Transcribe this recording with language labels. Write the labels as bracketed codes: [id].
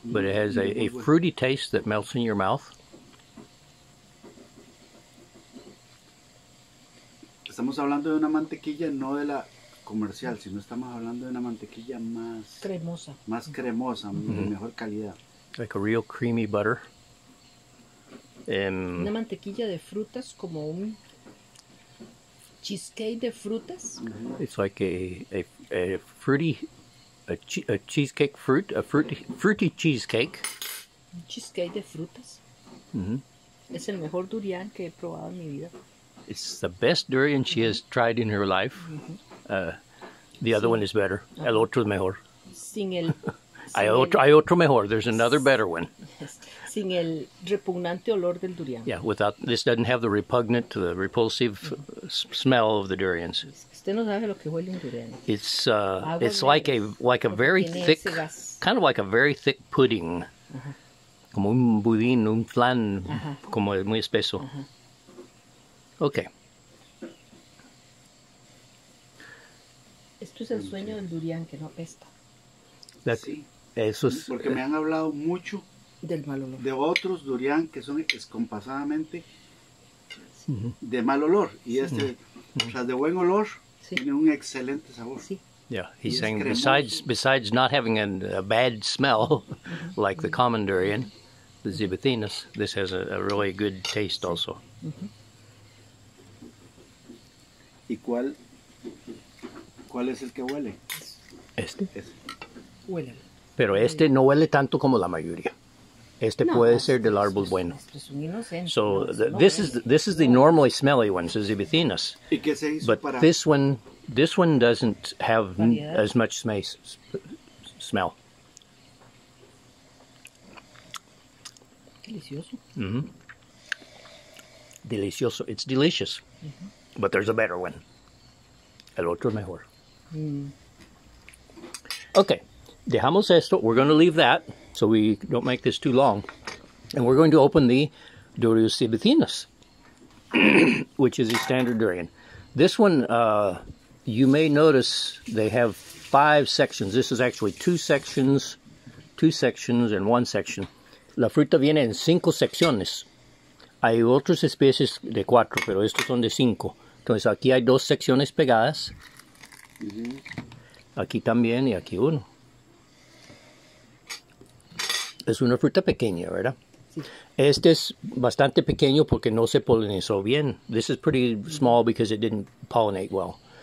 [en] But it has a fruity taste that melts in your mouth. [es] Estamos hablando de una mantequilla, no de la comercial, sino estamos hablando de una mantequilla más cremosa, más cremosa, mm-hmm. de mejor calidad. [en] Like a real creamy butter. [es] Una mantequilla de frutas, como un cheesecake de frutas. [en] Mm-hmm. It's like a fruity cheesecake. [es] Un cheesecake de frutas. Mm-hmm. Es el mejor durian que he probado en mi vida. [en] It's the best durian she has tried in her life. Mm-hmm. The other one is better. Okay. [es] El otro es mejor. Sin el... hay otro mejor. [en] There's another better one. [es] Sin el repugnante olor del durian. [en] Yeah, without... This doesn't have the repugnant, the repulsive smell of the durians. [es] Usted no sabe lo que huele un durian. [en] It's like a very thick... Kind of like a very thick pudding. Uh-huh. [es] Como un budín, un flan. Uh-huh. Como muy espeso. Uh-huh. Okay. Esto es el sueño del durian, que no apesta. Eso es, porque me han hablado mucho del mal olor. De otros durian que son descompasadamente de mal olor. Y este, o sea, de buen olor, tiene un excelente sabor. Sí. [en] Yeah, he's saying besides not having a bad smell, like the common durian, the zibethinus, this has a really good taste also. Mm-hmm. [es] ¿Y cuál? ¿Cuál es el que huele? Este. Huele. Pero este no huele tanto como la mayoría. Este no, puede ser del árbol bueno. Es un inocente. [en] So this is the normally smelly one, the zibethinus. [es] ¿Y qué se hizo [en] but [es] para? [en] This one doesn't have as much smell. [es] Delicioso. [en] Mm-hmm. [es] Delicioso. [en] It's delicious. Mm-hmm. But there's a better one. [es] El otro mejor. [en] Mm. Okay. [es] Dejamos esto. [en] We're going to leave that so we don't make this too long. And we're going to open the Durius zibethinus, which is a standard durian. This one... you may notice they have five sections. This is actually two sections and one section. [es] La fruta viene en cinco secciones. Hay otras especies de cuatro, pero estos son de cinco. Entonces aquí hay dos secciones pegadas. Mm-hmm. Aquí también y aquí uno. Es una fruta pequeña, ¿verdad? Sí. Este es bastante pequeño porque no se polinizó bien. [en] This is pretty small because it didn't pollinate well.